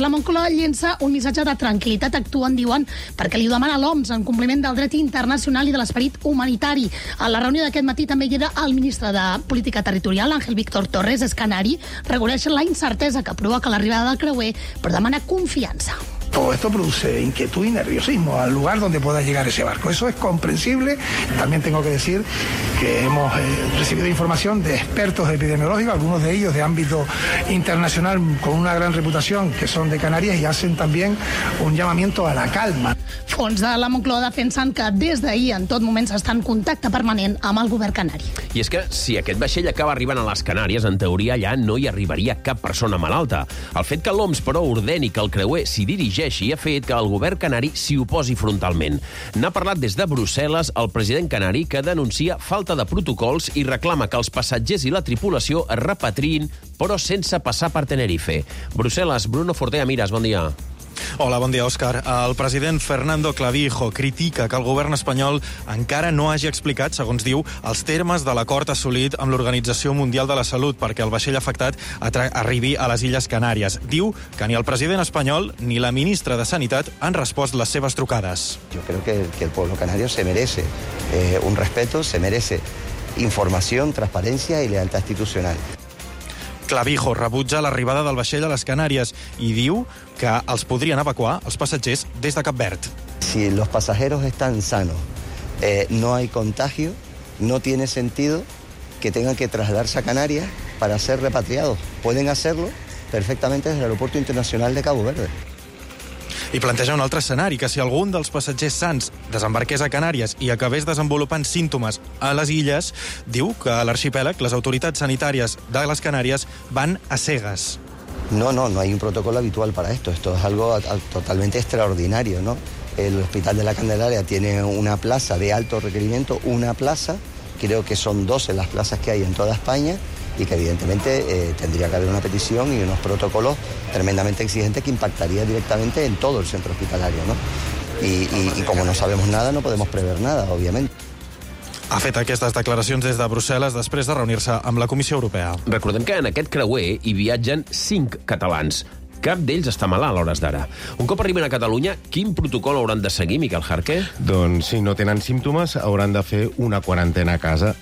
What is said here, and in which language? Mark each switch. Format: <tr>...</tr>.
<ca>La Moncloa llença un missatge de tranquil·litat, actuen, diuen, perquè li ho demana l'OMS en compliment del dret internacional i de l'esperit humanitari. A la reunió d'aquest matí també hi era el ministre de Política Territorial, Ángel Víctor Torres, és canari, reconeix la incertesa que provoca l'arribada del creuer, però demana confiança.</ca> <es>Todo esto produce inquietud y nerviosismo al lugar donde pueda llegar ese barco. Eso es comprensible. También tengo que decir que hemos recibido información de expertos epidemiológicos, algunos de ellos de ámbito internacional con una gran reputación, que son de Canarias y hacen también un llamamiento a la calma.</es> <ca>Fons de la Moncloa defensen que des d'ahir en tot moment s'està en contacte permanent amb el govern canari. I és que si aquest vaixell acaba arribant a les Canàries, en teoria allà no hi arribaria cap persona malalta. El fet que l'OMS, però, ordeni que el creuer s'hi dirigeixi ha fet que el govern canari s'hi oposi frontalment. N'ha parlat des de Brussel·les el president canari, que denuncia falta de protocols i reclama que els passatgers i la tripulació es repatriïn, però sense passar per Tenerife. Brussel·les, Bruno Fortea Miras, bon dia. Hola, bon dia, Òscar. El president Fernando Clavijo critica que el govern espanyol encara no hagi explicat, segons diu, els termes de l'acord assolit amb l'Organització Mundial de la Salut perquè el vaixell afectat arribi a les Illes Canàries. Diu que ni el president espanyol ni la ministra de Sanitat han respost les seves trucades.</ca> <es>Yo creo que el pueblo canario se merece un respeto, se merece información, transparencia y lealtad institucional.</es> <ca>Clavijo rebutja l'arribada del vaixell a les Canàries i diu que els podrien evacuar, els passatgers, des de Cap Verd.</ca> <es>Si los pasajeros están sanos, no hay contagio, no tiene sentido que tengan que trasladarse a Canarias para ser repatriados. Pueden hacerlo perfectamente desde el Aeropuerto Internacional de Cabo Verde.</es> <ca>I planteja un altre escenari, que si algun dels passatgers sans desembarqués a Canàries i acabés desenvolupant símptomes a les illes, diu que a l'arxipèlag les autoritats sanitàries de les Canàries van a cegues.</ca> <es>No hay un protocolo habitual para esto. Esto es algo totalmente extraordinario, ¿no? El Hospital de la Candelaria tiene una plaza de alto requerimiento, una plaza, creo que son 12 las plazas que hay en toda España, y que evidentemente tendría que haber una petición y unos protocolos tremendamente exigentes que impactaría directamente en todo el centro hospitalario, ¿no? Y como no sabemos nada, no podemos prever nada, obviamente.</es> <ca>Ha fet aquestes declaracions des de Brussel·les després de reunir-se amb la Comissió Europea. Recordem que en aquest creuer hi viatgen 5 catalans. Cap d'ells està malalt a hores d'ara. Un cop arriben a Catalunya, quin protocol hauran de seguir, Miquel Jarque? Doncs, si no tenen símptomes, hauran de fer una quarantena a casa.</ca>